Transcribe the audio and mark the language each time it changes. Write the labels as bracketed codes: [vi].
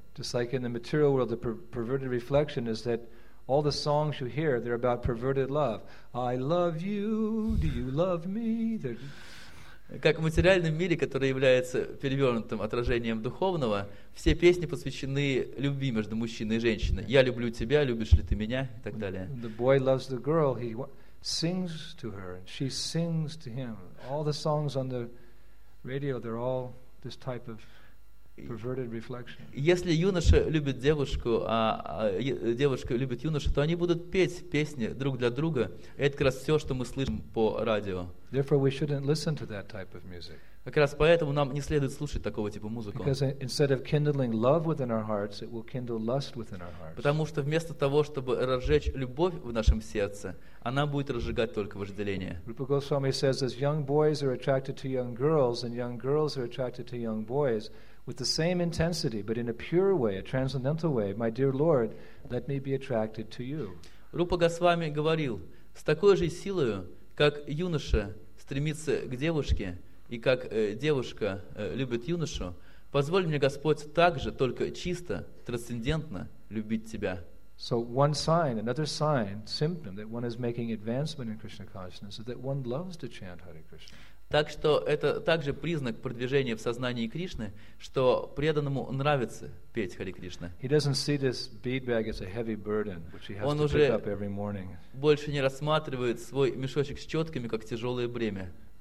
[en] Just like in the material world, the perverted reflection is that all the songs you hear, they're about perverted love. I love you, do you love me? [ru] Как в материальном мире, который является перевернутым отражением духовного, все песни посвящены любви между мужчиной и женщиной. Я люблю тебя, любишь ли ты меня? И так далее. [en] The boy loves the girl, he sings to her, and she sings to him. All the songs on the radio, they're all this type of perverted reflection. [ru] Если юноша любит девушку, а девушка любит юношу, то они будут петь песни друг для друга. Это как раз все, что мы слышим по радио. [en] Therefore, we shouldn't listen to that type of music. [ru] Как раз поэтому нам не следует слушать такого типа музыку. [en] Because instead of kindling love within our hearts, it will kindle lust within our hearts. [ru] Потому что вместо того, чтобы разжечь любовь в нашем сердце, она будет разжигать только вожделение. [en] Rupa Goswami says, as young boys are attracted to young girls, and young girls are attracted to young boys, with the same intensity, but in a pure way, a transcendental way, my dear Lord, let me be attracted to you. [ru] Rupa Goswami говорил, с такой же силою, как юноша стремится к девушке, и как девушка любит юношу, позволь мне, Господь, также только чисто, трансцендентно любить тебя. [en] So one sign, another sign, symptom that one is making advancement in Krishna consciousness is that one loves to chant Hare Krishna. [ru] Так что это также признак продвижения в сознании Кришны, что преданному нравится петь Хари Кришна. [en] He doesn't see this bead bag as a heavy burden, which he has to pick up every morning. [ru] Он уже больше не рассматривает свой мешочек с четками как тяжелое бремя.